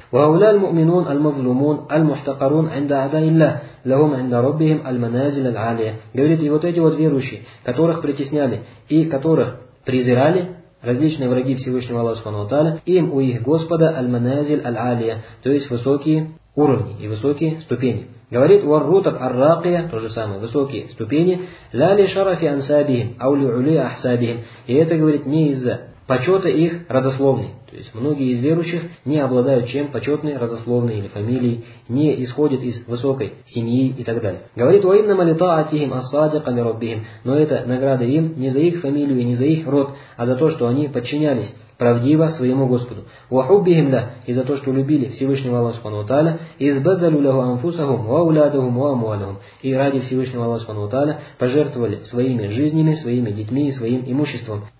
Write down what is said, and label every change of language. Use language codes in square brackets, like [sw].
[ar] وَهَوْلَا الْمُؤْمِنُونَ الْمَظْلُمُونَ الْمُحْتَقَرُونَ عِنْدَ عَدَاءِ اللَّهِ لَهُمْ عِنْدَ رَبِّهِمْ الْمَنَازِلَ الْعَالِيَةِ. [ru] Говорит, и вот эти вот верующие, которых притесняли и которых презирали различные враги Всевышнего Аллаха Субхану ва Тааля, им у их Господа [ar] الْمَنَازِلَ الْعَالِيَةِ, [ru] то есть высокие уровни и высокие ступени. Говорит, [ar] وَالرُّتَبْ الرَّاقِيَةَ, [ru] то же самое, высокие ступени, [ar] لَا لِشَرَفِ أَنْسَابِهِمْ أَوْ لِعُلِيَ أَحْسَابِهِمْ. [ru] И это, говорит, не из-за почета их родословной. То есть многие из верующих не обладают чем почетной родословной или фамилией, не исходят из высокой семьи и так далее. Говорит, [ar] وَإِنَّمَ لِطَاعَتِهِمْ أَصَّادِقَ لِرَبِّهِمْ. [ru] Но это награда им не за их фамилию и не за их род, а за то, что они подчинялись правдиво своему Господу. [ar] وَحُبِّهِمْ لَهُ, [ru] и за то, что любили Всевышнего Аллаха Субхану ва Тааля, [ar] избадзалю лаху анфусахум ва аулядахум ва амуалахум, [ru] и ради Всевышнего Аллаха Субхану ва Тааля пожертвовали своими жизнями, своими детьми и своим имуществом.